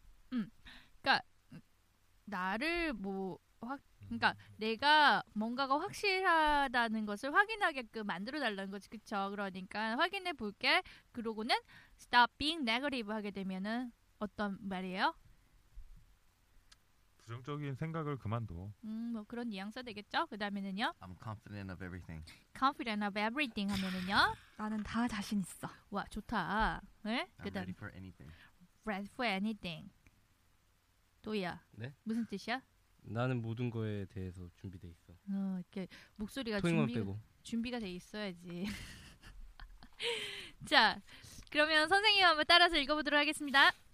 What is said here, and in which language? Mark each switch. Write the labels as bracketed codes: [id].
[ko] 그러니까 나를 뭐 확, 그러니까 내가 뭔가가 확실하다는 것을 확인하게끔 만들어달라는 거지, 그쵸? 그러니까 확인해볼게. 그러고는 [en] stop being negative [ko] 하게 되면은. 어떤 말이에요? 부정적인 생각을 그만둬. 뭐 그런 뉘앙스 되겠죠? 그 다음에는요? [en] I'm confident of everything. Confident of everything [ko] 하면은요? 나는 다 자신 있어. 와, 좋다. 네? [en] I'm [ko] 그다음, [en] ready for anything. Ready for anything. 도희야. [ko] 네? 무슨 뜻이야? 나는 모든 거에 대해서 준비돼 있어. 이렇게 목소리가 토잉만 빼고. 준비가 돼 있어야지. 자, 그러면 선생님 한번 따라서 읽어보도록 하겠습니다.